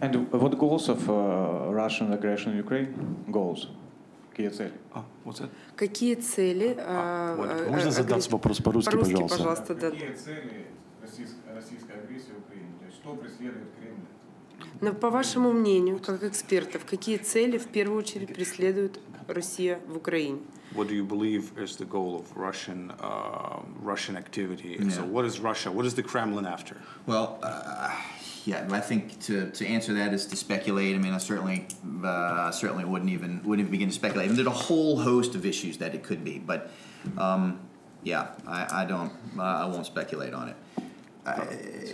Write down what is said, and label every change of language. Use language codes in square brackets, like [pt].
[en] And what goals of Russian aggression in Ukraine? [ru] Goals. Какие цели? Какие цели? Можно задать вопрос по-русски, пожалуйста. Пожалуйста, да. Какие цели российской агрессии в Украине? То есть что преследует Кремль? Но по вашему мнению, как экспертов, какие цели в первую очередь преследует Россия в Украине? [en] What do you believe is the goal of Russian Russian activity? Yeah. So what is Russia? What is the Kremlin after? Well, I think to answer that is to speculate. I mean, I certainly wouldn't even begin to speculate. I mean, there's a whole host of issues that it could be, but I won't speculate on it.